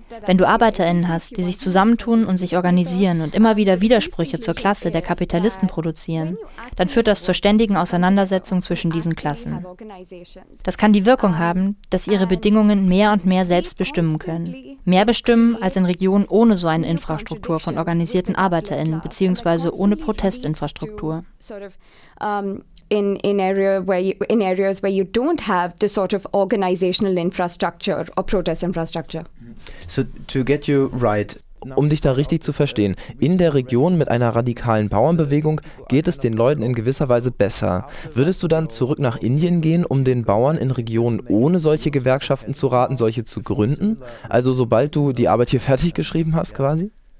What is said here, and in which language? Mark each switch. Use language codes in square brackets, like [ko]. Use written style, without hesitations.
[de] Wenn du ArbeiterInnen hast, die sich zusammentun und sich organisieren und immer wieder Widersprüche zur Klasse der Kapitalisten produzieren, dann führt das zur ständigen Auseinandersetzung zwischen diesen Klassen. Das kann die Wirkung haben, dass ihre Bedingungen mehr und mehr selbst bestimmen können. Mehr bestimmen als in Regionen ohne so eine Infrastruktur von organisierten ArbeiterInnen bzw. ohne Protestinfrastruktur. [en] In areas where you don't have the sort of organizational infrastructure or protest infrastructure. So to get you right. [de] Um dich da richtig zu verstehen, in der Region mit einer radikalen Bauernbewegung geht es den Leuten in gewisser Weise besser. Würdest du dann zurück nach Indien gehen, um den Bauern in Regionen ohne solche Gewerkschaften zu raten, solche zu gründen? Also sobald du die Arbeit hier fertig geschrieben hast quasi?